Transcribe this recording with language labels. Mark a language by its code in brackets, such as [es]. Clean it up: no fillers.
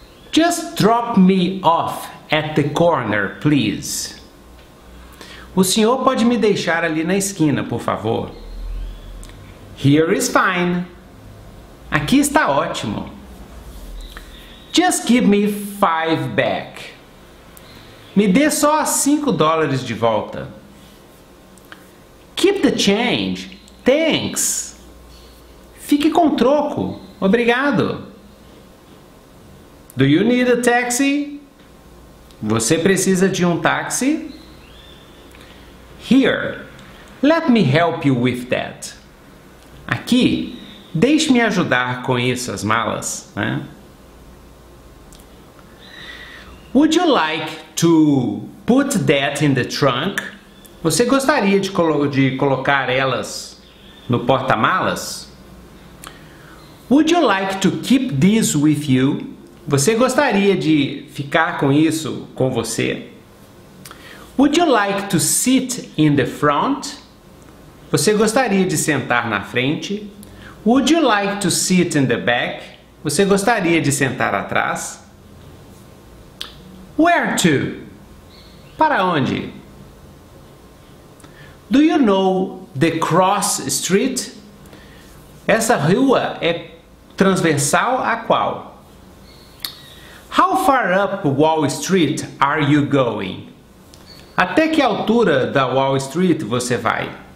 [en] Just drop me off at the corner, please. [pt] O senhor pode me deixar ali na esquina, por favor. [en] Here is fine. [pt] Aqui está ótimo. [en] Just give me five back. [pt] Me dê só $5 de volta. [en] Keep the change. Thanks. [pt] Fique com o troco. Obrigado. [en] Do you need a taxi? [pt] Você precisa de um táxi? [en] Here, let me help you with that. [pt] Aqui, deixe-me ajudar com isso, as malas, né? [en] Would you like to put that in the trunk? [pt] Você gostaria de colocar elas no porta-malas? [en] Would you like to keep this with you? [pt] Você gostaria de ficar com isso com você? [en] Would you like to sit in the front? [pt] Você gostaria de sentar na frente? [en] Would you like to sit in the back? [pt] Você gostaria de sentar atrás? [en] Where to? [pt] Para onde? [en] Do you know the cross street? [pt] Essa rua é transversal a qual? [en] How far up Wall Street are you going? [pt] Até que altura da Wall Street você vai?